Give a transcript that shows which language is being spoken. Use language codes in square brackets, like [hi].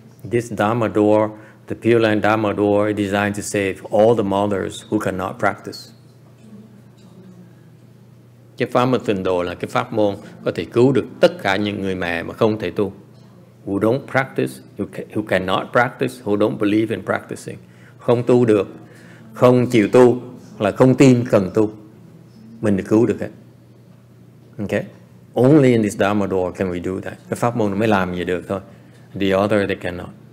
[en] This Dharma door, the Pure Land Dharma door, is designed to save all the mothers who cannot practice. [vi] Cái pháp mà tịnh độ là cái pháp môn có thể cứu được tất cả những người mẹ mà không thể tu. [en] Who don't practice, who cannot practice, who don't believe in practicing. [vi] Không tu được, không chịu tu, là không tin cần tu. Mình được cứu được hết. Okay? [en] Only in this Dharma door can we do that. [vi] Cái pháp môn nó mới làm gì được thôi. [en] The other, they cannot.